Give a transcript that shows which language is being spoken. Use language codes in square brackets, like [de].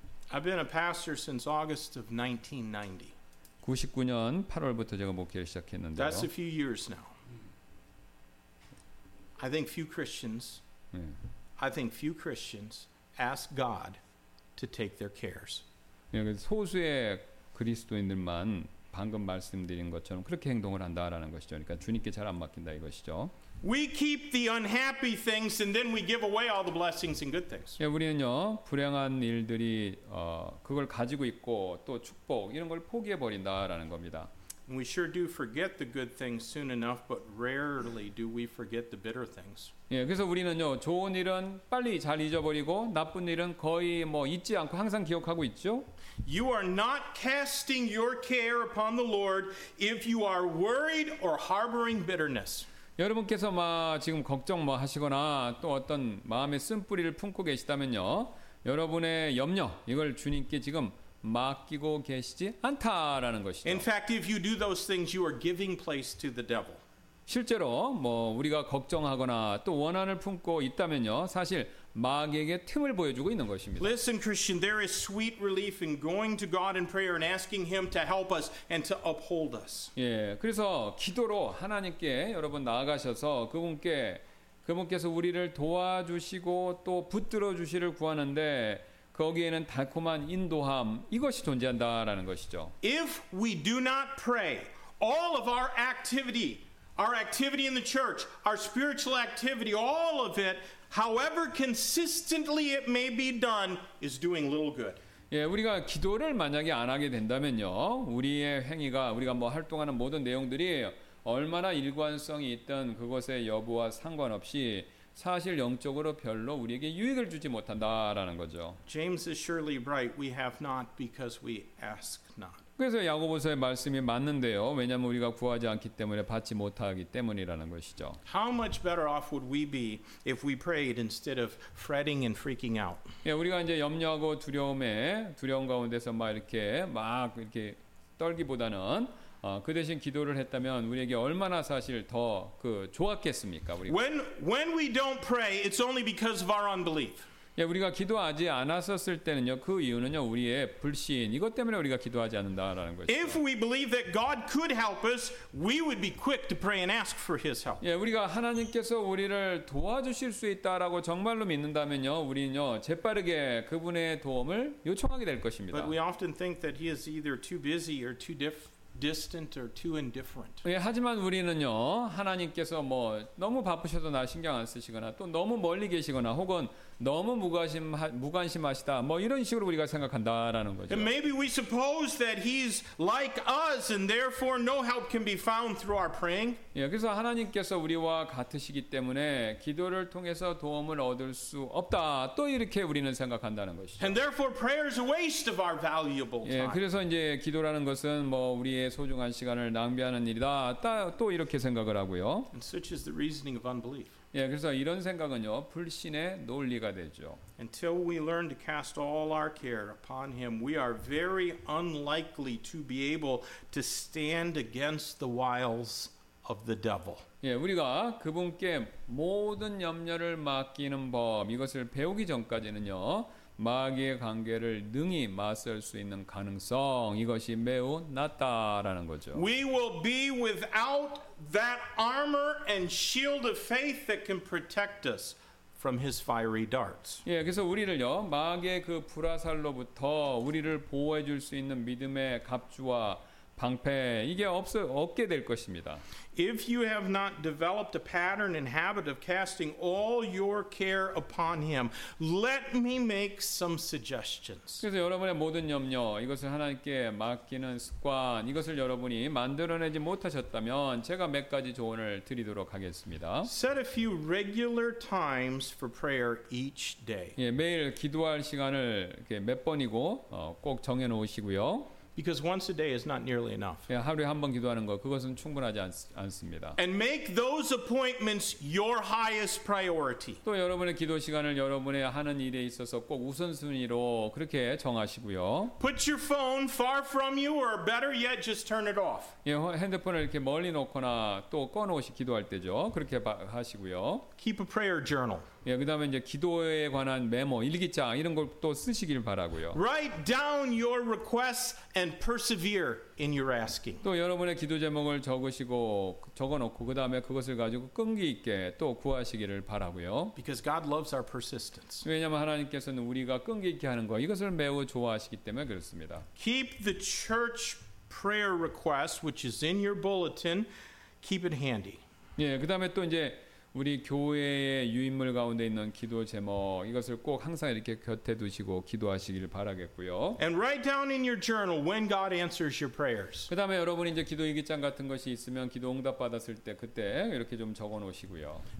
[en] I've been a pastor since August of 1990. [ko] 99년 8월부터 제가 목회를 시작했는데요. [en] That's a few years now. I think few Christians, I think few Christians ask God to take their cares. [ko] 소수의 그리스도인들만 방금 말씀드린 것처럼 그렇게 행동을 한다라는 것이죠. 그러니까 주님께 잘 안 맡긴다 이것이죠. [en] We keep the unhappy things and then we give away all the blessings and good things. [ko] 우리는요 불행한 일들이 그걸 가지고 있고 또 축복 이런 걸 포기해 버린다라는 겁니다. [en] We sure do forget the good things soon enough, but rarely do we forget the bitter things. [ko] 예, 그래서 우리는요 좋은 일은 빨리 잘 잊어버리고 나쁜 일은 거의 뭐 잊지 않고 항상 기억하고 있죠. [en] You are not casting your care upon the Lord if you are worried or harboring bitterness. [ko] 여러분께서 막 지금 걱정 뭐 하시거나 또 어떤 마음의 쓴뿌리를 품고 계시다면요 여러분의 염려 이걸 주님께 지금 맡기고 계시지 않다라는 것이죠. [en] In fact, if you do those things, you are giving place to the devil. [ko] 실제로 뭐 우리가 걱정하거나 또 원한을 품고 있다면요, 사실 마귀에게 틈을 보여주고 있는 것입니다. [en] Listen, Christian, there is sweet relief in going to God in prayer and asking Him to help us and to uphold us. [ko] 예, 그래서 기도로 하나님께 여러분 나아가셔서 그분께서 우리를 도와주시고 또 붙들어 주시를 구하는데 거기에는 달콤한 인도함 이것이 존재한다라는 것이죠. [en] If we do not pray, all of our activity in the church, our spiritual activity, all of it, however consistently it may be done, is doing little good. [ko] 예, 우리가 기도를 만약에 안 하게 된다면요, 우리의 행위가 우리가 뭐 활동하는 모든 내용들이 얼마나 일관성이 있던 그것의 여부와 상관없이 사실 영적으로 별로 우리에게 유익을 주지 못한다라는 거죠. [en] James is surely right. We have not because we ask not. [ko] 그래서 야고보서의 말씀이 맞는데요. 왜냐하면 우리가 구하지 않기 때문에 받지 못하기 때문이라는 것이죠. [en] How much better off would we be if we prayed instead of fretting and freaking out? [ko] 예, 우리가 이제 염려하고 두려움 가운데서 막 이렇게 떨기보다는 그 대신 기도를 했다면 우리에게 얼마나 사실 더 그 좋았겠습니까? 우리가. [en] When we don't pray, it's only because of our unbelief. [ko] 예, 우리가 기도하지 않았었을 때는요, 그 이유는요, 우리의 불신 이것 때문에 우리가 기도하지 않는다라는 것이죠. [en] If we believe that God could help us, we would be quick to pray and ask for His help. [ko] 예, 우리가 하나님께서 우리를 도와주실 수 있다라고 정말로 믿는다면요, 우리는요, 재빠르게 그분의 도움을 요청하게 될 것입니다. [en] But we often think that He is either too busy or too distant or too indifferent. [ko] 예, 하지만 우리는요, 하나님께서 뭐 너무 바쁘셔도 나 신경 안 쓰시거나 또 너무 멀리 계시거나 혹은 너무 무관심하시다 뭐 이런 식으로 우리가 생각한다라는 거죠. [en] And maybe we suppose that he's like us and therefore no help can be found through our praying. [ko] 예, 그래서 하나님께서 우리와 같으시기 때문에 기도를 통해서 도움을 얻을 수 없다. 또 이렇게 우리는 생각한다는 것이죠. [en] And therefore prayer is a waste of our valuable time. [ko] 예, 그래서 이제 기도라는 것은 뭐 우리의 소중한 시간을 낭비하는 일이다. 또 이렇게 생각을 하고요. [en] And such is the reasoning of unbelief. [ko] 예, 그래서 이런 생각은요, 불신의 논리가 되죠. [en] Until we learn to cast all our care upon Him, we are very unlikely to be able to stand against the wiles of the devil. [ko] 예, 우리가 그분께 모든 염려를 맡기는 법 이것을 배우기 전까지는요, 마귀의 관계를 능히 맞설 수 있는 가능성 이것이 매우 낮다라는 거죠. [en] We will be without that armor and shield of faith that can protect us from his fiery darts. [ko] 예, 그래서 우리를요, 마귀의 그 불화살로부터 우리를 보호해 줄 수 있는 믿음의 갑주와 방패 이게 없게 될 것입니다. [en] If you have not developed a pattern and habit of casting all your care upon him, let me make some suggestions. [ko] 그래서 여러분의 모든 염려 이것을 하나님께 맡기는 습관 이것을 여러분이 만들어내지 못하셨다면 제가 몇 가지 조언을 드리도록 하겠습니다. [en] Set a few regular times for prayer each day. [ko] 예, 매일 기도할 시간을 몇 번이고 꼭 정해 놓으시고요. [en] Because once a day is not nearly enough. [ko] 예, 하루에 한 번 기도하는 거 그것은 충분하지 않습니다. [en] And make those appointments your highest priority. [ko] 또 여러분의 기도 시간을 여러분의 하는 일에 있어서 꼭 우선순위로 그렇게 정하시고요. [en] Put your phone far from you or better yet just turn it off. [ko] 예, 핸드폰을 이렇게 멀리 놓거나 또 꺼놓으시 기도할 때죠. 그렇게 하시고요. [en] Keep a prayer journal. [ko] 예, 그다음에 이제 기도에 관한 메모, 일기장 이런 걸 또 쓰시길 바라고요. [en] Write down your requests and persevere in your asking. [ko] 또 여러분의 기도 제목을 적어놓고 그다음에 그것을 가지고 끈기 있게 또 구하시기를 바라고요. [en] Because God loves our persistence. [ko] 왜냐하면 하나님께서는 우리가 끈기 있게 하는 거 이것을 매우 좋아하시기 때문에 그렇습니다. [en] Keep the church prayer request, which is in your bulletin, keep it handy. [ko] 예, 그다음에 또 이제 우리 교회의 유인물 가운데 있는 기도 제목 이것을 꼭 항상 이렇게 곁에 두시고 기도하시길 바라겠고요. [en] And write down in your journal when God answers your prayers. [ko] 그다음에 여러분 이제 기도 일기장 같은 것이 있으면 기도 응답 받았을 때 그때 이렇게 좀 적어 놓으시고요.